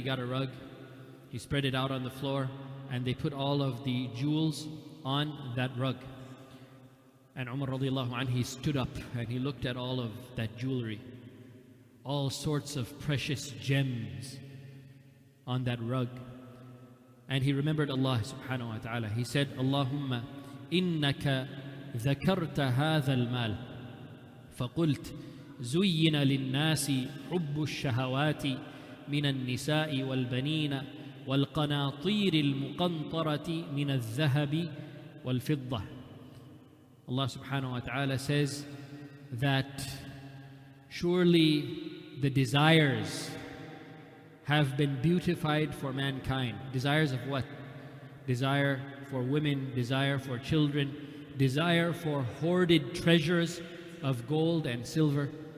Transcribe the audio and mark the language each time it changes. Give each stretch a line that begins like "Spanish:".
English: He got a rug, he spread it out on the floor, and they put all of the jewels on that rug. And Umar radiallahu anhu, he stood up and he looked at all of that jewelry, all sorts of precious gems on that rug. And he remembered Allah subhanahu wa ta'ala.
Arabic: He said, Allahumma innaka dhakarta hadha al-mal فقلت زين للناس حب الشهوات من النساء والبنين والقناطير المقنطرة من الذهب والفضة.
English: Allah subhanahu wa ta'ala says that surely the desires have been beautified for mankind. Desires of what? Desire for women, desire for children, desire for hoarded treasures of gold and silver.